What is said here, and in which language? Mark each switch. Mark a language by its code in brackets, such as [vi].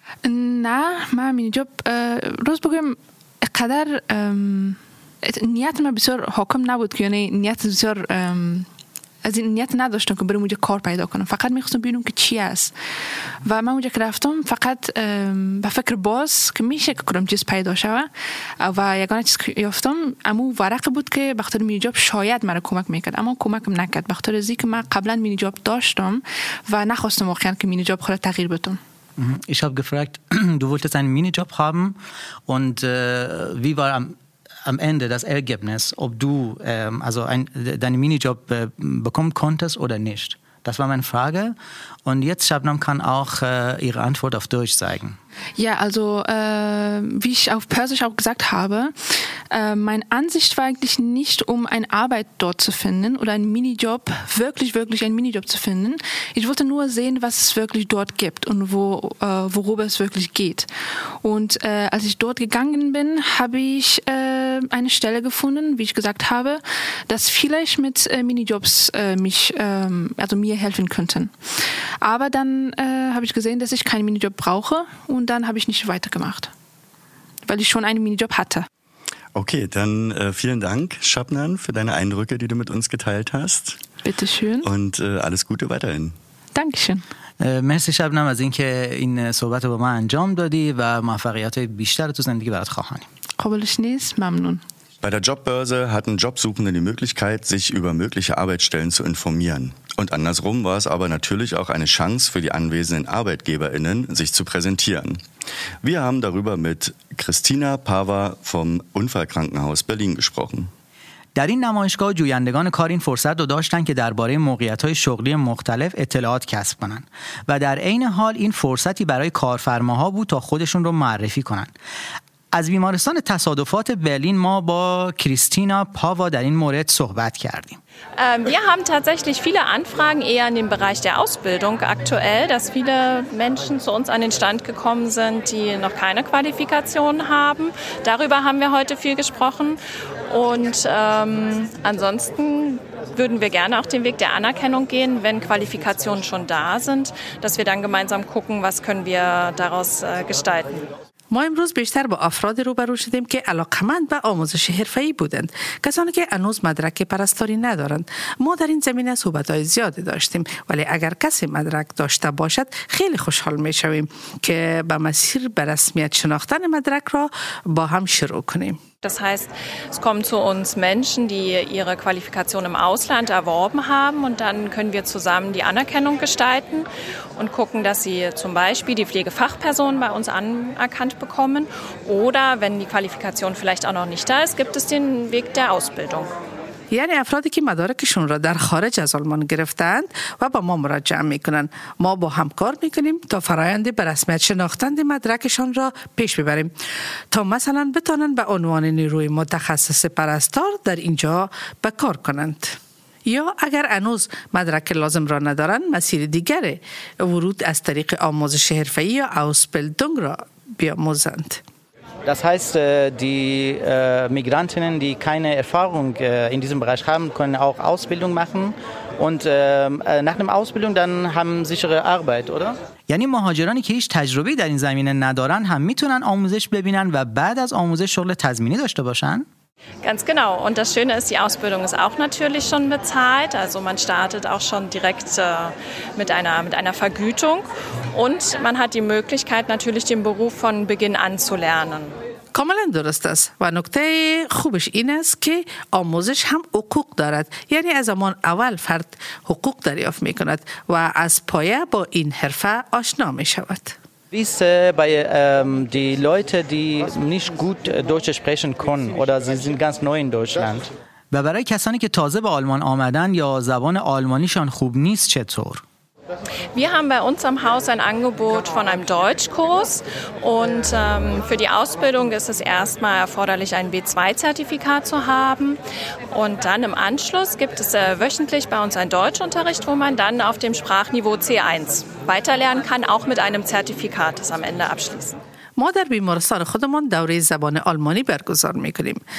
[fa] نه من مینی جاب روز بگویم قدر نیت من بسیار حاکم نبود که یعنی نیت بسیار از این نیت نداشتم که برم اونجا کار پیدا کنم فقط میخواستم ببینم که چی است و من اونجا که رفتم فقط به فکر باز که میشه که کنم چیز پیدا شوه و یکانه چیز که یافتم اما ورق بود که بخاطر مینی جاب شاید مرا کمک میکرد اما کمکم نکرد بخاطر از این که من قبلا مینی جاب داشتم و نخواستم واقعا که مینی جاب خودت تغییر بدم [de] Ich habe gefragt, du wolltest einen Minijob haben und wie war am Ende das Ergebnis, ob du deinen Minijob bekommen konntest oder nicht? Das war meine Frage und jetzt Shabnam kann auch ihre Antwort auf Deutsch zeigen. Ja, also wie ich auf Persisch auch gesagt habe, meine Ansicht war eigentlich nicht, um eine Arbeit dort zu finden oder einen Minijob, wirklich, wirklich einen Minijob zu finden. Ich wollte nur sehen, was es wirklich dort gibt und worüber es wirklich geht. Und als ich dort gegangen bin, habe ich eine Stelle gefunden, wie ich gesagt habe, dass vielleicht mit Minijobs mir helfen könnten. Aber dann habe ich gesehen, dass ich keinen Minijob brauche und dann habe ich nicht weitergemacht, weil ich schon einen Minijob hatte. Okay, dann vielen Dank, Shabnam, für deine Eindrücke, die du mit uns geteilt hast. Bitteschön. Und alles Gute weiterhin. Dankeschön. [fa] مرسی شبنم از این که این صحبت رو با من انجام دادی و موفقیت بیشتر تو زندگی برات خواهانی. قبولش نیست. ممنون. [de] Bei der Jobbörse hatten Jobsuchende die Möglichkeit, sich über mögliche Arbeitsstellen zu informieren. Und andersrum war es aber natürlich auch eine Chance für die anwesenden ArbeitgeberInnen, sich zu präsentieren. Wir haben darüber mit Christina Pava vom Unfallkrankenhaus Berlin gesprochen. [fa] در این نمایشگاه جویندگان کار این فرصت رو داشتن که درباره موقعیت‌های شغلی مختلف اطلاعات کسب کنن و در عین حال این فرصتی برای کارفرماها بود تا خودشون رو معرفی کنن. از بیمارستان تصادفات برلین ما با کریستینا پاوا در این مورد صحبت کردیم. [de] Wir haben tatsächlich viele Anfragen eher in dem Bereich der Ausbildung aktuell, dass viele Menschen zu uns an den Stand gekommen sind, die noch keine Qualifikation haben. Darüber haben wir heute viel gesprochen und ansonsten würden wir gerne auch den Weg der Anerkennung gehen, wenn Qualifikationen schon da sind, dass wir dann gemeinsam gucken, was können wir daraus gestalten. [fa] ما امروز بیشتر با افراد روبرو شدیم که علاقمند به آموزش حرفه‌ای بودند. کسانی که هنوز مدرک پرستاری ندارند. ما در این زمینه صحبت‌های زیادی داشتیم. ولی اگر کسی مدرک داشته باشد خیلی خوشحال می شویم که به مسیر به رسمیت شناختن مدرک را با هم شروع کنیم. [de] Das heißt, es kommen zu uns Menschen, die ihre Qualifikation im Ausland erworben haben und dann können wir zusammen die Anerkennung gestalten und gucken, dass sie zum Beispiel die Pflegefachpersonen bei uns anerkannt bekommen oder wenn die Qualifikation vielleicht auch noch nicht da ist, gibt es den Weg der Ausbildung. [fa] یعنی افرادی که مدارکشون را در خارج از آلمان گرفتند و با ما مراجعه میکنند. ما با هم کار میکنیم تا فرایند به رسمیت شناختن مدرکشان را پیش ببریم. تا مثلا بتوانند به عنوان نیروی متخصص پرستار در اینجا به کار کنند. یا اگر انوز مدرک لازم را ندارن مسیر دیگره ورود از طریق آموزش حرفه‌ای یا اوسپلدونگ را بیاموزند. [de] Das heißt, die Migrantinnen, die keine Erfahrung in diesem Bereich haben, können auch Ausbildung machen. Und nach einer Ausbildung dann haben sichere Arbeit, oder? [fa] یعنی مهاجرانی که هیچ تجربه‌ای در این زمینه ندارن هم میتونن آموزش ببینن و بعد از آموزش شغل تضمینی داشته باشن؟ [de] Ganz genau. Und das Schöne ist, die Ausbildung ist auch natürlich schon bezahlt. Also man startet auch schon direkt mit einer Vergütung. Und man hat die Möglichkeit, natürlich den Beruf von Beginn an zu lernen. [fa] کاملا درست است و نکته خوبش این است که آموزش هم حقوق دارد، یعنی از زمان اول فرد حقوق دریافت می کند و از پایه با این حرفه آشنا می شود. [de] Wie ist bei die Leute, die nicht gut Deutsch sprechen können oder sie sind ganz neu in Deutschland? [fa] و برای کسانی که تازه به آلمان آمدن یا زبان آلمانیشان خوب نیست چطور؟ [de] Wir haben bei uns am Haus ein Angebot von einem Deutschkurs und für die Ausbildung ist es erstmal erforderlich, ein B2-Zertifikat zu haben und dann im Anschluss gibt es wöchentlich bei uns einen Deutschunterricht, wo man dann auf dem Sprachniveau C1 weiterlernen kann, auch mit einem Zertifikat, das am Ende abschließen. [fa] ما در بیمارستان خودمان دوره زبان آلمانی برگزار میکنیم.